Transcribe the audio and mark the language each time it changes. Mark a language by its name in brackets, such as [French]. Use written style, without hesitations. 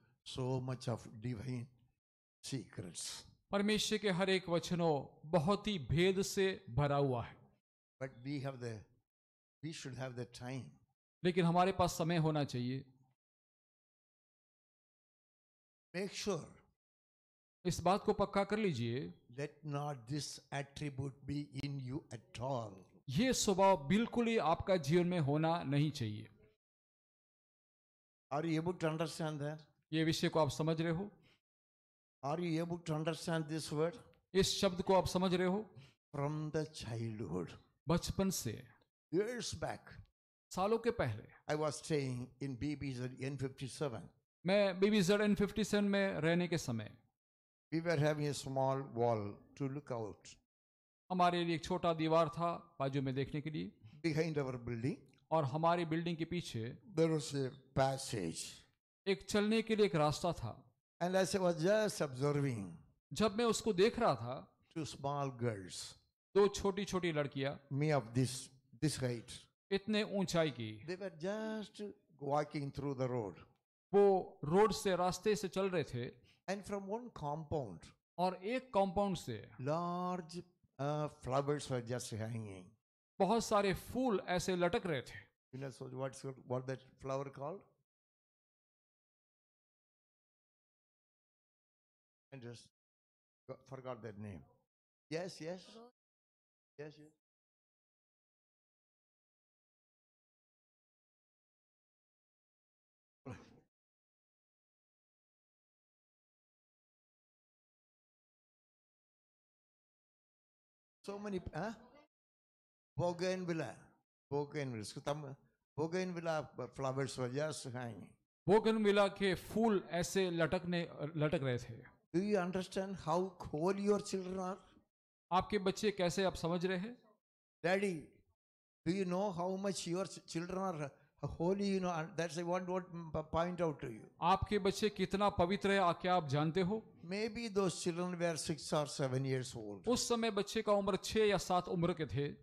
[English] so much of divine secrets. [Hindi] परमेश्वर के हर एक वचनो बहुत ही भेद से भरा हुआ है. [English] But we should have the time. [Hindi] लेकिन हमारे पास समय होना चाहिए. [English] Make sure. [Hindi] इस बात को पक्का कर लीजिए. [English] Let not this attribute be in you at all. [Hindi] ये स्वभाव बिल्कुल ही आपका जीवन में होना नहीं चाहिए. [English] Are you able to understand that? [Hindi] ये विषय को आप समझ रहे हो? [English] Are you able to understand this word? [Hindi] इस शब्द को आप समझ रहे हो? [English] From the childhood. [Hindi] बचपन से. [English] Years back. [Hindi] सालों के पहले. [English] I was staying in BBZ N57. [Hindi] मैं BBZ N57 में रहने के समय. [English] We were having a small wall to look out. [Hindi] हमारे लिए एक छोटा दीवार था बाजू में देखने के लिए. [English] Behind our building. [Hindi] और हमारी बिल्डिंग के पीछे. [English] There was a passage. [Hindi] एक चलने के लिए एक रास्ता था. [English] And as I was just observing, [Hindi] जब मैं उसको देख रहा था, [English] two small girls, [Hindi] दो छोटी-छोटी लड़कियाँ, [English] me of this height, [Hindi] इतने ऊंचाई की, [English] they were just walking through the road, [Hindi] वो रोड से रास्ते से चल रहे थे, [English] and from one compound, [Hindi] और एक कंपाउंड से, [English] large flowers were just hanging, [Hindi] बहुत सारे फूल ऐसे लटक रहे थे. [English] You know, so what that flower called? And just forgot that name. Yes, yes. Yes, yes. So many, huh? Bougainvillea flowers were just hanging. [Hindi] Bougainvillea ke phool aise latak rahe the. [English] Do you understand how cool your children are? [Hindi] आपके बच्चे कैसे आप समझ रहे हैं? [English] Daddy, do you know how much your children are holy? You know, that's what point out to you. [Hindi] आपके बच्चे कितना पवित्र है आ क्या आप जानते हो? [English] Maybe those children were 6 or 7 years old. [Hindi] उस समय बच्चे का उम्र 6 या 7 उम्र के थे.